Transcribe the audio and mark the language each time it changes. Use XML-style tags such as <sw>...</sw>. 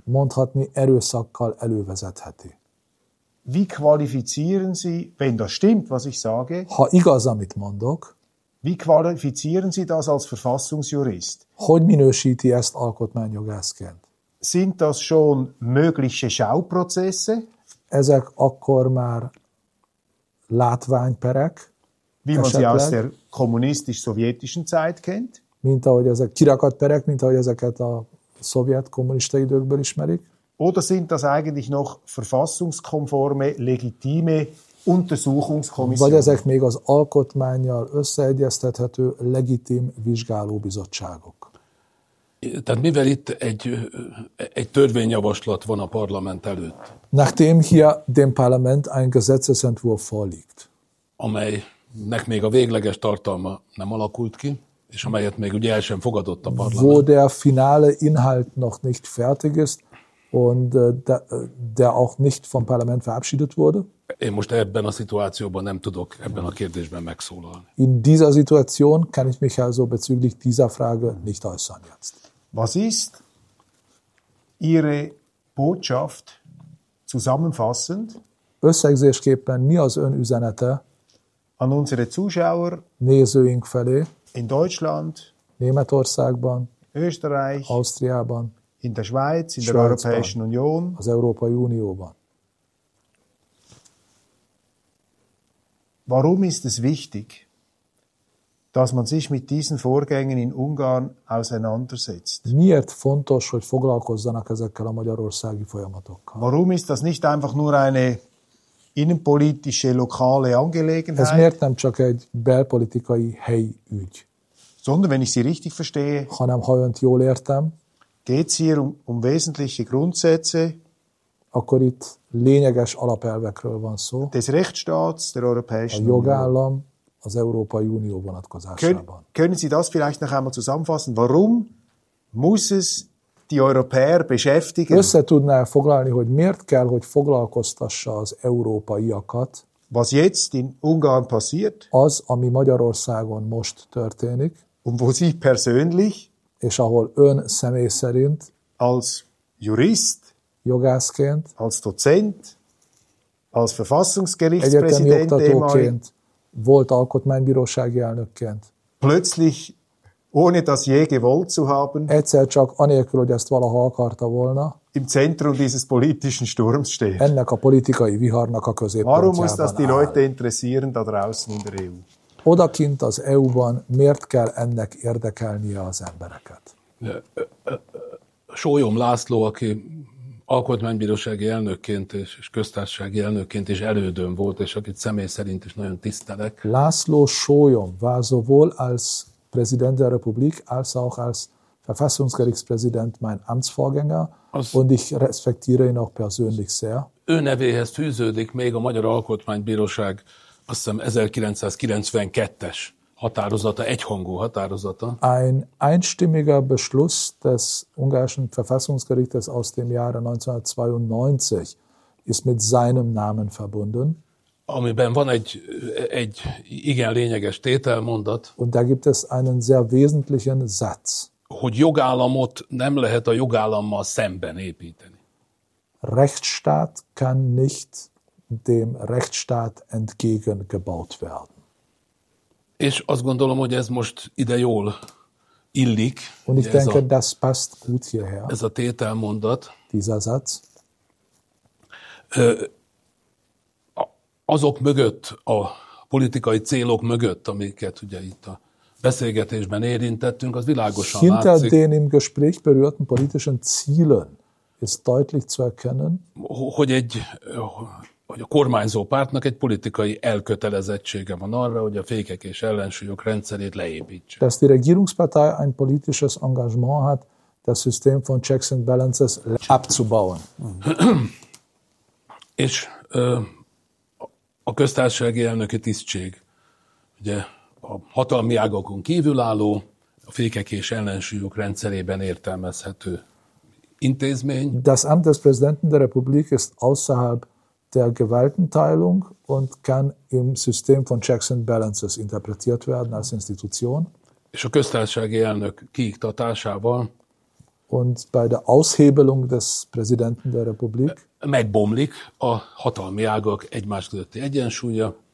<hu>Mondhatni erőszakkal elővezetheti.</hu> <de>Wie qualifizieren Sie, wenn das stimmt, was ich sage?</de> <hu>Ha igaz, amit mondok.</hu> <de>Wie qualifizieren Sie das als Verfassungsjurist?</de> <hu>Hogy minősíti ezt alkotmányjogászként?</hu> <de>Sind das schon mögliche Schauprozesse?</de> <hu>Ezek akkor már látványperek.</hu> <de>Wie man sie aus der kommunistisch-sovjetischen Zeit kennt?</de> <hu>Mint ahogy ezek kirakat perek, mint ahogy ezeket a szovjet kommunista időkből ismerik.</hu> <de>Oder sind das eigentlich noch verfassungskonforme, legitime Untersuchungskommission?</de> <hu>Vagy ezek még az alkotmánnyal összeegyeztethető legitim vizsgálóbizottságok? Tehát mivel itt egy törvényjavaslat van a parlament előtt?</hu> <de>Nachdem hier dem Parlament ein Gesetzesentwurf vorliegt.</de> <hu>Amelynek még a végleges tartalma nem alakult ki, és amelyet még ugye el sem fogadott a parlament.</hu> <de>Wo der finale Inhalt noch nicht fertig ist, und der auch nicht vom Parlament verabschiedet wurde.</de> <hu>Én most ebben a szituációban nem tudok ebben a kérdésben megszólalni.</hu> <de>In dieser Situation kann ich mich also bezüglich dieser Frage nicht äußern jetzt. Was ist Ihre Botschaft zusammenfassend?</de> <hu>Összegzésképpen mi az ön üzenete?</hu> <de>An unsere Zuschauer,</de> <hu>nézőink felé,</hu> <de>in Deutschland,</de> <hu>Németországban,</hu> <de>Österreich,</de> <hu>Ausztriában,</hu> <de>in der Schweiz, in der Europäischen Union,</de> <hu>az Európai Unióban.</hu> <de>Warum ist es wichtig, dass man sich mit diesen Vorgängen in Ungarn auseinandersetzt?</de> <hu>Miért fontos, hogy foglalkozzanak ezekkel a magyarországi folyamatokkal?</hu> <de>Warum ist das nicht einfach nur eine innenpolitische lokale Angelegenheit?</de> <hu>Ez miért nem csak egy belpolitikai helyi ügy?</hu> <de>Sondern wenn ich Sie richtig verstehe,</de> <hu>hanem ha önt jól értem,</hu> <de>geht's hier um wesentliche Grundsätze,</de> <hu>akkor itt lényeges alapelvekről van szó.</hu> <de>Des Rechtsstaats, der Europäischen</de> <hu>Union. A jogállam az Európai Unió vonatkozásában.</hu> <de>Können Sie das vielleicht noch einmal zusammenfassen? Warum muss es die Europäer beschäftigen?</de> <hu>Össze tudná foglalni, hogy miért kell, hogy foglalkoztassa az európaiakat?</hu> <de>Was jetzt in Ungarn passiert?</de> <hu>Az, ami Magyarországon most történik.</hu> <de>Und wo Sie persönlich?</de> <hu>És ahol ön személy szerint?</hu> <de>Als Jurist?</de> <hu>Jogászként,</hu> <de>als Dozent, als Verfassungsgerichtspräsident,</de> <hu>volt alkotmánybírósági elnökként.</hu> <de>Plötzlich, ohne das je gewollt zu haben,</de> <hu>egyszer csak anélkül, hogy ezt valaha akarta volna,</hu> <de>im Zentrum dieses politischen Sturms steht.</de> <hu>Ennek a politikai viharnak a középpontjában.</hu> <de>Warum muss das die Leute interessieren da draußen in der EU?</de> <hu>Odakint az EU-ban miért kell ennek érdekelnie az embereket? Sólyom László, aki alkotmánybírósági elnökként és köztársasági elnökként is elődöm volt, és akit személy szerint is nagyon tisztelek.</hu> <de>László Sólyom war sowohl als Präsident der Republik als auch als Verfassungsgerichtspräsident mein Amtsvorgänger, und ich respektiere ihn auch persönlich sehr.</de> <hu>Ő nevéhez fűződik még a Magyar Alkotmánybíróság, azt hiszem 1992-es határozata, egyhangú határozata.</hu> <de>Ein einstimmiger Beschluss des ungarischen Verfassungsgerichtes aus dem Jahre 1992 ist mit seinem Namen verbunden.</de> <hu>Amiben van egy igen lényeges tételmondat.</hu> <de>Und da gibt es einen sehr wesentlichen Satz.</de> <hu>Hogy jogállamot nem lehet a jogállammal szemben építeni.</hu> <de>Rechtsstaat kann nicht dem Rechtsstaat entgegengebaut werden.</de> <hu>És azt gondolom, hogy ez most ide jól illik.</hu> <de>Und ich denke, das passt gut hierher.</de> <hu>Ez a tételmondat.</hu> <de>Dieser Satz.</de> <hu>Azok mögött, a politikai célok mögött, amiket ugye itt a beszélgetésben érintettünk, az világosan látszik.</hu> <de>Hinter den im Gespräch berührten politischen Zielen ist deutlich zu erkennen,</de> <hu>hogy a kormányzó pártnak egy politikai elkötelezettsége van arra, hogy a fékek és ellensúlyok rendszerét leépítse.</hu> <de>Dass die Regierungspartei ein politisches Engagement hat, das System von checks and balances abzubauen.</de> <hu>És a köztársasági elnöki tisztség, ugye a hatalmi ágakon kívülálló, a fékek és ellensúlyok rendszerében értelmezhető intézmény.</hu> <de>Das Amt des Präsidenten der Republik ist außerhalb der Gewaltenteilung und kann im System von checks and balances interpretiert werden als Institution.</de> <hu>És a köztársasági elnök kiiktatásával</hu> <de>und bei der Aushebelung des Präsidenten der Republik</de> <hu>megbomlik a hatalmi ágak egymás közötti egyensúlya.</hu>